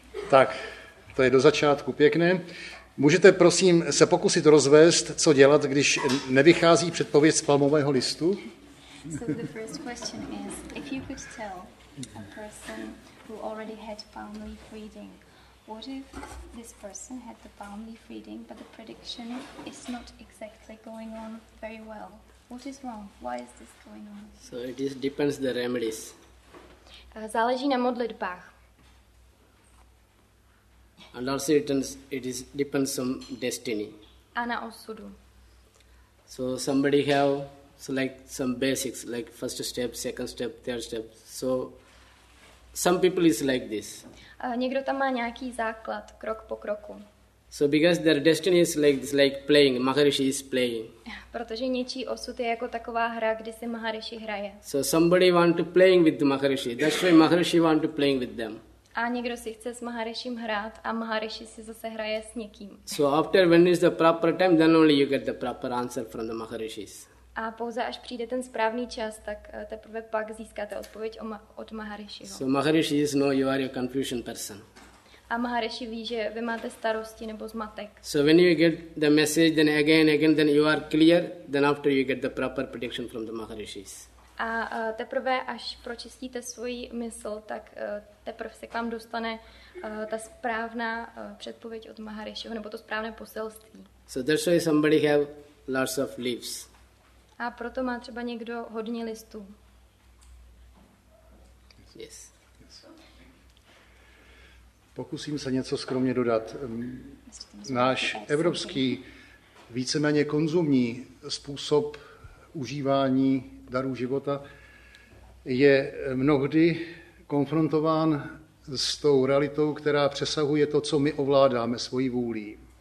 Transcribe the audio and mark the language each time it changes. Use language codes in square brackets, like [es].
[cs] Tak, to je do začátku pěkné. Můžete prosím se pokusit rozvést, co dělat, když nevychází předpověď z palmového listu? [en] So the first question is, if you could tell a person who already had palm leaf reading, what if this person had the palm leaf reading, but the prediction is not exactly going on very well? What is wrong? Why is this going on? So it just depends the remedies. [cs] Záleží na modlitbách. [en] And also it depends on destiny. [cs] A na osudu. [en] So somebody have... So like some basics, like first step, second step, third step. So some people is like this. [cs] Někdo tam má nějaký základ, krok po kroku. [en] So because their destiny is like this, like playing, Maharishi is playing. [cs] Protože něčí osud je jako taková hra, kde si Maharishi hraje. [en] So somebody want to playing with the Maharishi. That's why Maharishi want to playing with them. [cs] A někdo si chce s Maharishim hrát a Maharishi si zase hraje s někým. [en] So after when is the proper time, then only you get the proper answer from the Maharishis. [cs] A pouze až přijde ten správný čas, tak teprve pak získáte odpověď od Maharishiho. [en] So Maharishi is no, you are a confusion person. [cs] A Maharishi ví, že vy máte starosti nebo zmatek. [en] So when you get the message, then again, then you are clear, then after you get the proper prediction from the Maharishis. [cs] A teprve až pročistíte svoji mysl, tak teprve se k vám dostane ta správná předpověď od Maharishiho nebo to správné poselství. [en] So that's why somebody have lots of leaves. [cs] A proto má třeba někdo hodně listů. [en] Yes. [cs] Pokusím se něco skromně dodat. Náš evropský víceméně konzumní způsob užívání darů života je mnohdy konfrontován s tou realitou, která přesahuje to, co my ovládáme svojí vůlí.